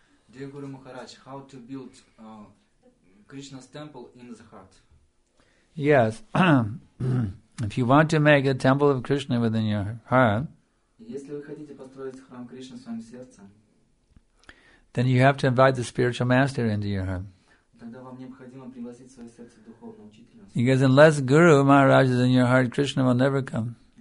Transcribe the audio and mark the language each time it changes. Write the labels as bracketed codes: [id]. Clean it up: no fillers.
[en] Dear Guru Maharaj, how to build Krishna's temple in the heart? Yes. If you want to make a temple of Krishna within your heart, [ru] если вы хотите построить храм Кришны в своем сердце, [en] then you have to invite the spiritual master into your heart. [ru] Тогда вам необходимо пригласить в свое сердце духовного учителя. [en] Because unless Guru Maharaj is in your heart, Krishna will never come.